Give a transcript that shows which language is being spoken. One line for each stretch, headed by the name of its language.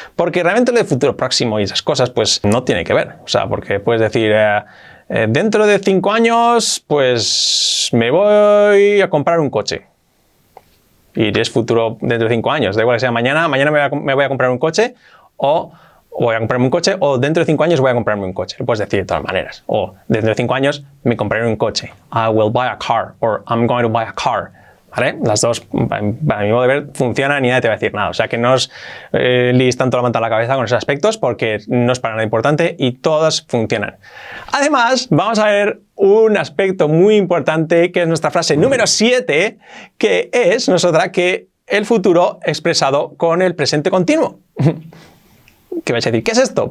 Spanish: Porque realmente lo de futuro próximo y esas cosas, pues no tiene que ver. O sea, porque puedes decir, dentro de 5 años, pues me voy a comprar un coche. Y es futuro dentro de 5 años. Da igual que sea mañana, mañana me voy a comprar un coche o voy a comprarme un coche o dentro de 5 años voy a comprarme un coche. Lo puedes decir de todas maneras. O dentro de 5 años me compraré un coche.
English: I will buy a car or I'm going to buy a car.
Spanish: ¿Vale? Las dos, para mi modo de ver, funcionan y nadie te va a decir nada. O sea que no os liéis tanto la manta a la cabeza con esos aspectos porque no es para nada importante y todas funcionan. Además, vamos a ver un aspecto muy importante que es nuestra frase número 7, que es nosotras que el futuro expresado con el presente continuo. ¿Qué vais a decir? ¿Qué es esto?